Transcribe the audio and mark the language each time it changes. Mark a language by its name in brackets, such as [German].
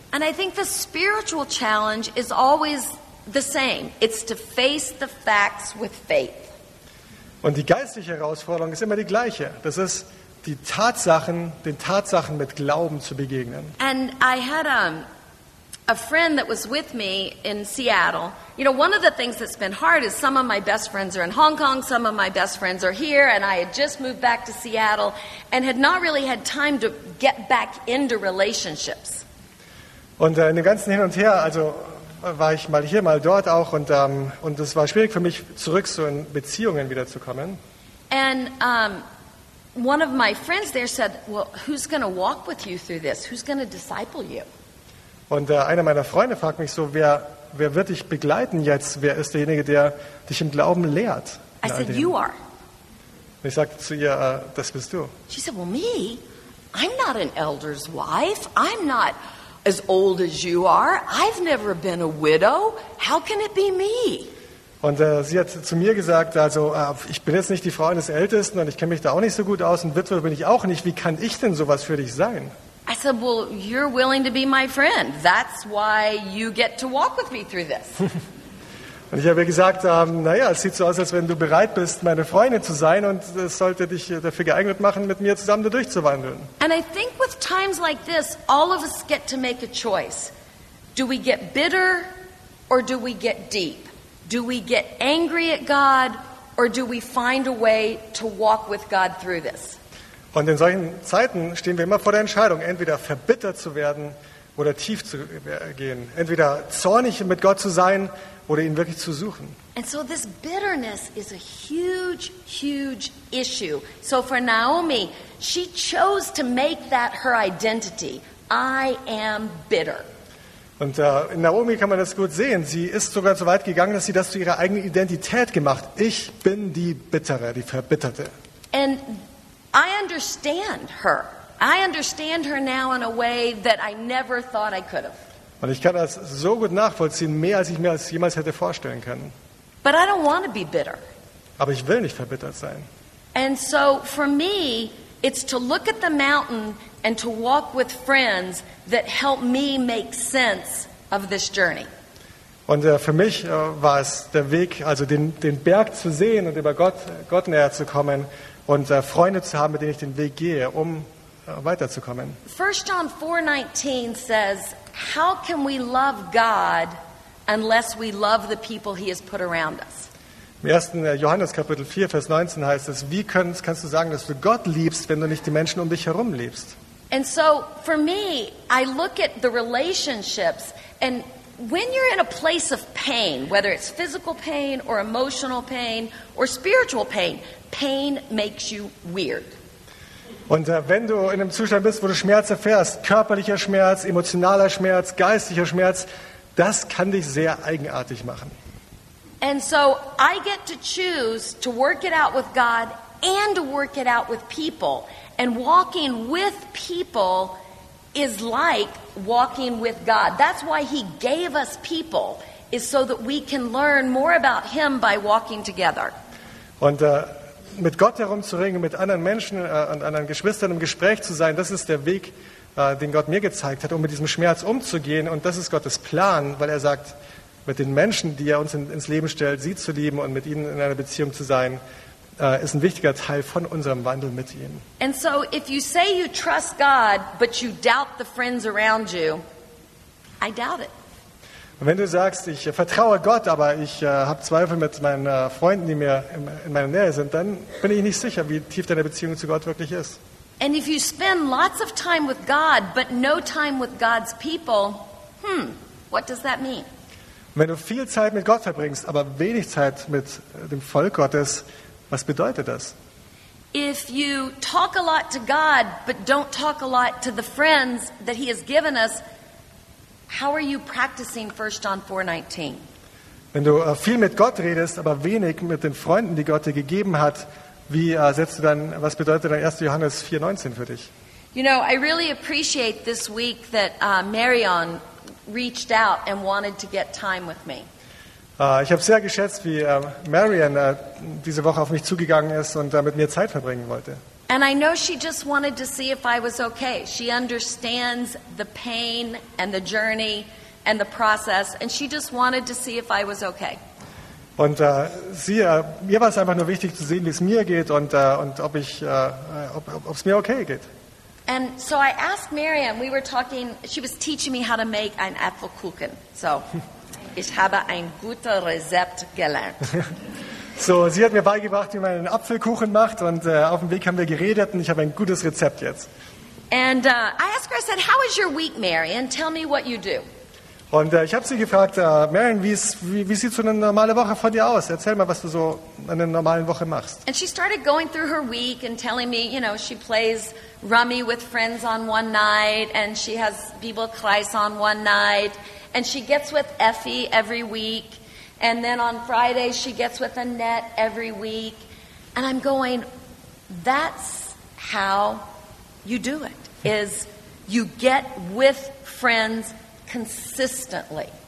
[English] And I think the spiritual challenge is always the same. It's to face the facts with faith. [German] Und die geistliche Herausforderung ist immer die gleiche. Das ist, die Tatsachen, den Tatsachen mit Glauben zu begegnen. [English] And I had a friend that was with me in Seattle. You know, one of the things that's been hard is some of my best friends are in Hong Kong, some of my best friends are here, and I had just moved back to Seattle and had not really had time to get back into relationships. [German] Und in dem ganzen Hin und Her, also war ich mal hier, mal dort auch und es war schwierig für mich, zurück so in Beziehungen wiederzukommen. [English] And one of my friends there said, well, who's going to walk with you through this? Who's going to disciple you? [German] Und einer meiner Freunde fragt mich so, wer wird dich begleiten jetzt? Wer ist derjenige, der dich im Glauben lehrt? [English] I said, you are. [German] Und ich sagte zu ihr, das bist du. [English] She said, well, me? I'm not an elder's wife. I'm not as old as you are. I've never been a widow. How can it be me? [German] Und sie hat zu mir gesagt, also ich bin jetzt nicht die Frau eines Ältesten und ich kenne mich da auch nicht so gut aus und Witwe bin ich auch nicht. Wie kann ich denn sowas für dich sein? [English] I said, well, you're willing to be my friend. That's why you get to walk with me through this. [German] Und ich habe ihr gesagt, naja, es sieht so aus, als wenn du bereit bist, meine Freundin zu sein und es sollte dich dafür geeignet machen, mit mir zusammen da durchzuwandeln. [English] And I think with times like this, all of us get to make a choice. Do we get bitter or do we get deep? Do we get angry at God or do we find a way to walk with God through this? [German] Und in solchen Zeiten stehen wir immer vor der Entscheidung, entweder verbittert zu werden oder tief zu gehen. Entweder zornig mit Gott zu sein oder ihn wirklich zu suchen. [English] And so this bitterness is a huge, huge issue. So for Naomi, she chose to make that her identity. I am bitter. [German] Und in Naomi kann man das gut sehen. Sie ist sogar so weit gegangen, dass sie das zu ihrer eigenen Identität gemacht. Ich bin die Bittere, die Verbitterte. [English] And I understand her. I understand her now in a way that I never thought I could have. [German] Und ich kann das so gut nachvollziehen, mehr als ich mir jemals hätte vorstellen können. [English] But I don't want to be bitter. [German] Aber ich will nicht verbittert sein. [English] And so for me, it's to look at the mountain and to walk with friends that help me make sense of this journey. [German] Und für mich war es der Weg, also den Berg zu sehen und über Gott näher zu kommen und Freunde zu haben, mit denen ich den Weg gehe, um weiterzukommen. [English] 1 John 4:19 says, how can we love God unless we love the people he has put around us? [German] Im 1. Johannes Kapitel 4 Vers 19 heißt es, kannst du sagen, dass du Gott liebst, wenn du nicht die Menschen um dich herum liebst? [English] And so for me, I look at the relationships and when you're in a place of pain, whether it's physical pain or emotional pain or spiritual pain, pain makes you weird. [German] Und wenn du in einem Zustand bist, wo du Schmerz erfährst, körperlicher Schmerz, emotionaler Schmerz, geistlicher Schmerz, das kann dich sehr eigenartig machen. [English] And so I get to choose to work it out with God and to work it out with people. And walking with people is like walking with God. That's why he gave us people, is so that we can learn more about him by walking together. [German] Und mit Gott herumzuringen, mit anderen Menschen und anderen Geschwistern im Gespräch zu sein, das ist der Weg, den Gott mir gezeigt hat, um mit diesem Schmerz umzugehen. Und das ist Gottes Plan, weil er sagt, mit den Menschen, die er uns ins Leben stellt, sie zu lieben und mit ihnen in einer Beziehung zu sein, ist ein wichtiger Teil von unserem Wandel mit ihm. [English] And so if you say you trust God, but you doubt the friends around you, I doubt it. [German] Und wenn du sagst, ich vertraue Gott, aber ich habe Zweifel mit meinen Freunden, die mir in meiner Nähe sind, dann bin ich nicht sicher, wie tief deine Beziehung zu Gott wirklich ist. [English] And if you spend lots of time with God, but no time with God's people, what does that mean? [German] Und wenn du viel Zeit mit Gott verbringst, aber wenig Zeit mit dem Volk Gottes, was bedeutet das? [English] If you talk a lot to God, but don't talk a lot to the friends that he has given us, how are you practicing 1 John 4:19? [German] Wenn du viel mit Gott redest, aber wenig mit den Freunden, die Gott dir gegeben hat, was bedeutet dann 1. Johannes 4:19 für dich? [English] You know, I really appreciate this week that Marion reached out and wanted to get time with me. [German] Ich habe sehr geschätzt, wie Marion diese Woche auf mich zugegangen ist und mit mir Zeit verbringen wollte. [English] And I know she just wanted to see if I was okay. She understands the pain and the journey and the process, and she just wanted to see if I was okay. [German] Und mir war es einfach nur wichtig zu sehen, wie es mir geht und ob es mir okay geht. [English] And so I asked Marion. We were talking. She was teaching me how to make an Apfelkuchen. [German] So ich habe ein gutes Rezept gelernt. So, sie hat mir beigebracht, wie man einen Apfelkuchen macht, und auf dem Weg haben wir geredet, und ich habe ein gutes Rezept jetzt. [English] And I asked her. I said, "How is your week, Marion? Tell me what you do." [German] Und ich habe sie gefragt, Marion, wie sieht so eine normale Woche von dir aus? Erzähl mal, was du so in einer normalen Woche machst. [English] And she started going through her week and telling me, you know, she plays Rummy with friends on one night, and she has Bibel Kreis on one night, and she gets with Effie every week, and then on Friday she gets with Annette every week, and I'm going, that's how you do it, is you get with friends consistently.